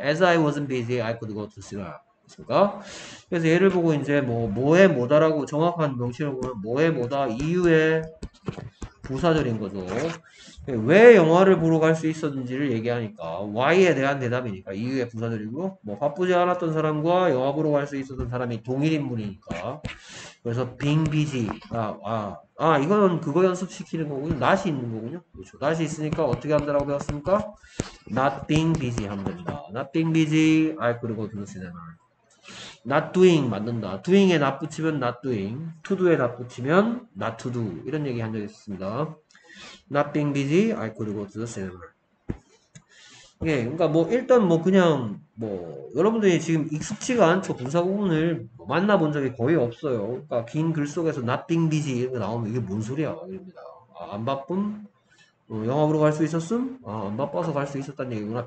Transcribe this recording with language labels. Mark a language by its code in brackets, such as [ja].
[en] as I wasn't busy I could go to cinema. [ko] 그래서 예를 보고 이제 뭐 뭐에 뭐다라고 정확한 명칭을 보면 뭐에 뭐다 이유에 부사절인 거죠. 왜 영화를 보러 갈수 있었는지를 얘기하니까 why에 대한 대답이니까 이유의 부사절이고 뭐 바쁘지 않았던 사람과 영화 보러 갈수 있었던 사람이 동일 인물이니까 그래서 being busy 이거는 그거 연습시키는 거군요. not이 있는 거군요. 그렇죠. not이 있으니까 어떻게 한다라고 배웠습니까? [en] not being busy [ko] 하면 됩니다. [en] not being busy I could go to the cinema. not doing [ko] 맞는다. doing에 not 붙이면 not doing, to do에 not 붙이면 not to do 이런 얘기 한적 있습니다. [en] not being busy, I could go to the cinema. [ko] 예, 그러니까 뭐 일단 뭐 그냥 뭐 여러분들이 지금 익숙치가 않죠. 분사구문을 만나본 적이 거의 없어요. 그러니까 긴글 속에서 not being busy 이런 거 나오면 이게 뭔 소리야? 이겁니다. 안 바쁨? 영화 보러 갈수 있었음? 안 바빠서 갈수 있었다는 얘기구나.